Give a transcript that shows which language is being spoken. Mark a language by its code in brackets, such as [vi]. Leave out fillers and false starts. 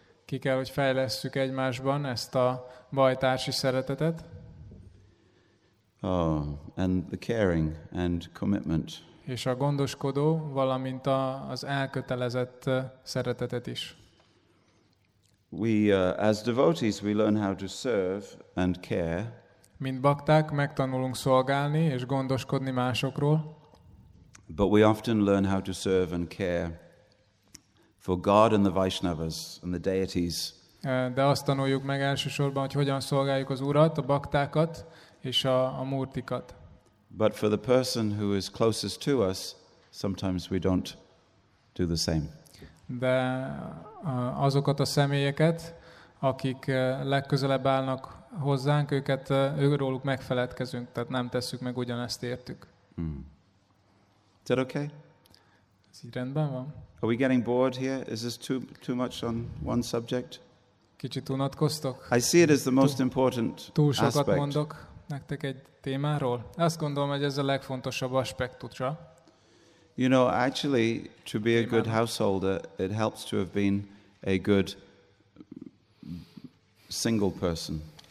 [hu] Ki kell, hogy fejlesszük egymásban ezt a bajtársi szeretetet. [en] Oh, and the caring and commitment. [hu] És a gondoskodó, valamint az elkötelezett szeretetet is. [en] As devotees, we learn how to serve and care. [hu] Mint bakták, megtanulunk szolgálni és gondoskodni másokról. [en] But we often learn how to serve and care for God and the Vaishnavas and the deities. [hu] De azt tanuljuk meg elsősorban, hogy hogyan szolgáljuk az Urat, a baktákat és a murtikat. [en] But for the person who is closest to us, sometimes we don't do the same. [hu] De azokat a személyeket, akik legközelebb állnak hozzánk, őket őróluk megfeledkezünk, tehát nem tesszük meg ugyanezt értük. [en] Is that okay? [hu] Ez így rendben van. [en] Are we getting bored here? Is this too much on one subject? [hu] Kicsit unatkoztok? [en] I see it as the most important aspect. [hu] Túl sokat mondok nektek egy témáról. Azt gondolom, hogy ez a legfontosabb aspektusra. [en] You know, actually, to be a good householder, it helps to have been a good single person.